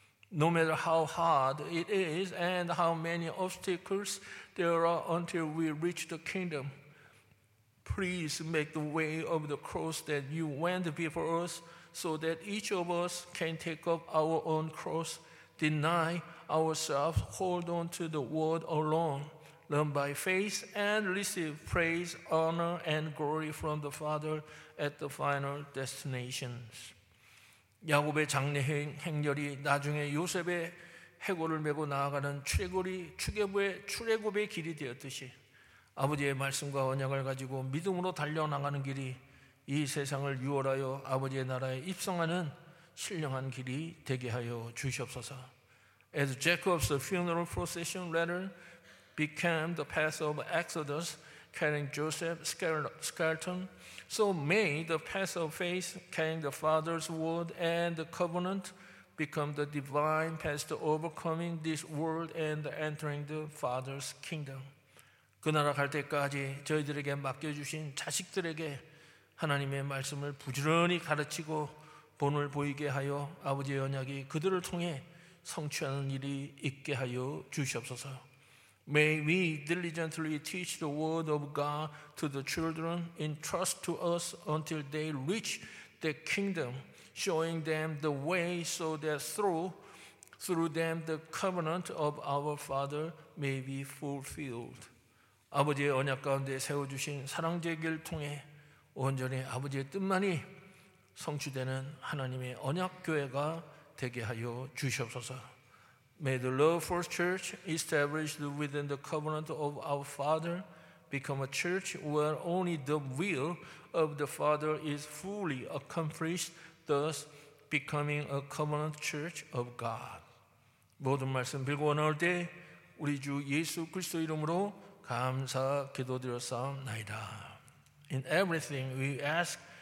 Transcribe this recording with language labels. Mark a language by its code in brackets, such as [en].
[en] No matter how hard it is and how many obstacles there are until we reach the kingdom, please make the way of the cross that you went before us so that each of us can take up our own cross, deny ourselves, hold on to the word alone, learn by faith and receive praise, honor, and glory from the Father at the final destinations. [ko] 야곱의 장례 행렬이 나중에 요셉의 해골을 메고 나아가는 출애굽의 길이 되었듯이 아버지의 말씀과 언약을 가지고 믿음으로 달려나가는 길이 이 세상을 유월하여 아버지의 나라에 입성하는 신령한 길이 되게 하여 주시옵소서. [en] As Jacob's funeral procession letter became the path of Exodus, carrying Joseph, Skeleton, so may the path of faith, carrying the Father's word and the covenant, become the divine path to overcoming this world and entering the Father's kingdom. [ko] 그 나라 갈 때까지 저희들에게 맡겨주신 자식들에게 하나님의 말씀을 부지런히 가르치고 본을 보이게 하여 아버지의 언약이 그들을 통해 성취하는 일이 있게 하여 주시옵소서. [en] May we diligently teach the word of God to the children entrusted to us until they reach the kingdom, showing them the way so that through them the covenant of our Father may be fulfilled. [ko] 아버지의 언약 가운데 세워주신 사랑제 길 통해 온전히 아버지의 뜻만이 성취되는 하나님의 언약 교회가 되게 하여 주시옵소서. [en] May the love for church established within the covenant of our Father become a church where only the will of the Father is fully accomplished, thus becoming a covenant church of God. [ko] 모든 말씀 빌고 나올 때 우리 주 예수 그리스도 이름으로 감사 기도드렸사옵나이다. [en] In everything we ask